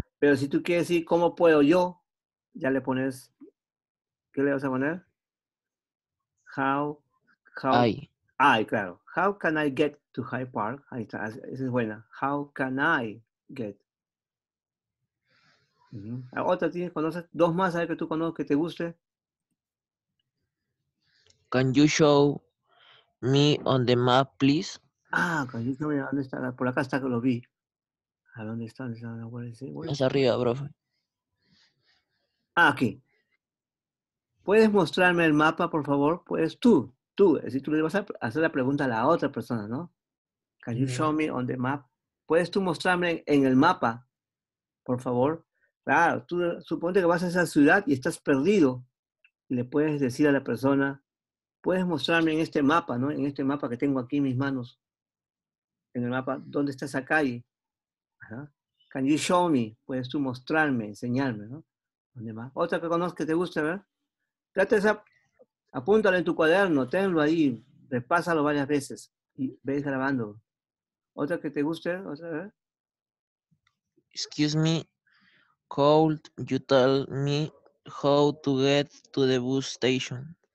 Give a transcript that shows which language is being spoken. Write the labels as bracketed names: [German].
[Spanish] Pero si tú quieres decir, ¿cómo puedo yo? Ya le pones, ¿qué le vas a poner? [English] How. I, [Spanish] claro. [English] How can I get to Hyde Park? [Spanish] Ahí está, esa es buena. [English] How can I get? [Spanish] ¿Otra tienes, conoces? ¿Dos más, ¿sabes que tú conoces, que te guste? [English] Can you show me on the map, please. [Spanish] Ah, okay. ¿Dónde está? Por acá está que lo vi. ¿A dónde está? Más arriba, profe. Ah, aquí. ¿Puedes mostrarme el mapa, por favor? Pues tú. Si tú le vas a hacer la pregunta a la otra persona, ¿no? [English] Can you show me on the map? [Spanish] ¿Puedes tú mostrarme en el mapa, por favor? Claro, tú suponte que vas a esa ciudad y estás perdido. Le puedes decir a la persona, puedes mostrarme en este mapa, ¿no? En este mapa que tengo aquí en mis manos. En el mapa, ¿dónde está esa calle? ¿Ah? [English] Can you show me? [Spanish] Puedes tú mostrarme, enseñarme, ¿no? ¿Dónde más? Otra que conozco que te guste, ¿ver? Trata esa, apúntalo en tu cuaderno, tenlo ahí, repásalo varias veces y ve grabando. Otra que te guste, otra, ¿ver? [English] Excuse me, Could you tell me how to get to the bus station?